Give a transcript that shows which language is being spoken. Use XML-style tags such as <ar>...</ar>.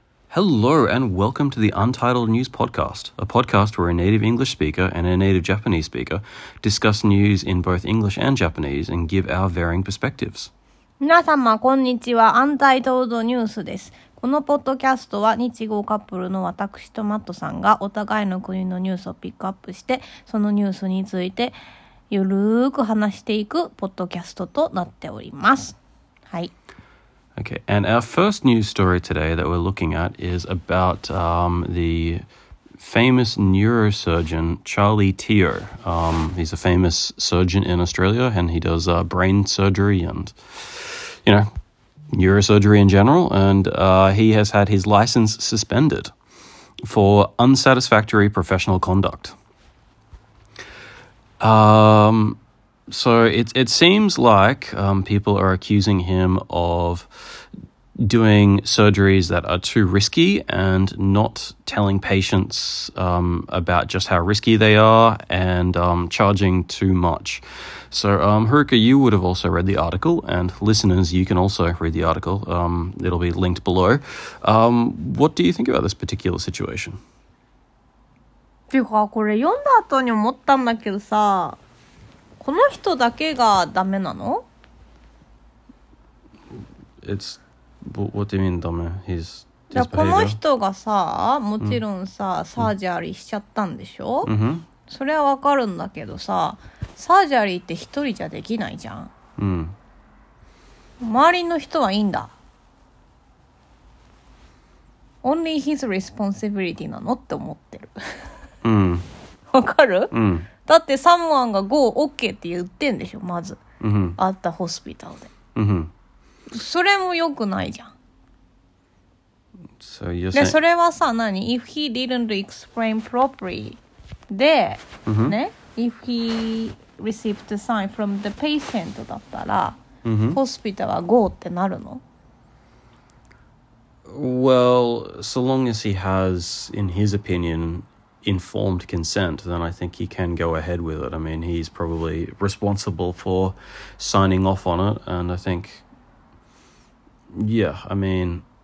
<en>Hello and welcome to the Untitled News Podcast, a podcast where a native English speaker and a native Japanese speaker discuss news in both English and Japanese and give our varying perspectives.</en> <ja>皆様こんにちは、Untitled News です。このポッドキャストは日豪カップルの私とマットさんがお互いの国のニュースをピックアップしてそのニュースについてゆるーく話していくポッドキャストとなっております。はい。</ja> <en>Okay, and our first news story today that we're looking at is about the famous neurosurgeon Charlie Teo. He's a famous surgeon in Australia, and he does brain surgery and, you know, neurosurgery in general. And he has had his license suspended for unsatisfactory professional conduct. So it seems like people are accusing him of doing surgeries that are too risky and not telling patients about just how risky they are and charging too much. So Haruka, you would have also read the article, and listeners, you can also read the article. It'll be linked below. What do you think about this particular situation?</en> <ja>この人だけがダメなの?</ja> <en>It's what do you mean ダメ?His</en> <ja>じゃあこの人がさ、もちろんさ、サージャリーしちゃったんでしょ? それはわかるんだけどさ、サージャリーって一人じゃできないじゃん。周りの人はいいんだ。</ja> <en>Only his responsibility</en> <ja>なのって思ってる。わかる? だってサムワンが GO OK って言ってんでしょ、まず、 mm-hmm. あったホスピタルで、 mm-hmm. それも良くないじゃん。</ja> <en>so you're saying...</en> <ja>でそれはさ、何</ja> <en>If he didn't explain properly</en> <ja>で、 mm-hmm.</ja> <en>ね、If he received a sign from the patient</en> <ja>だったら、 mm-hmm. ホスピタルは GO ってなるの？</ja> <en>Well, so long as he has, in his opinioninformed consent, then I think he can go ahead with it. I mean, he's probably responsible for signing off on it, and I think, yeah, I mean...</en>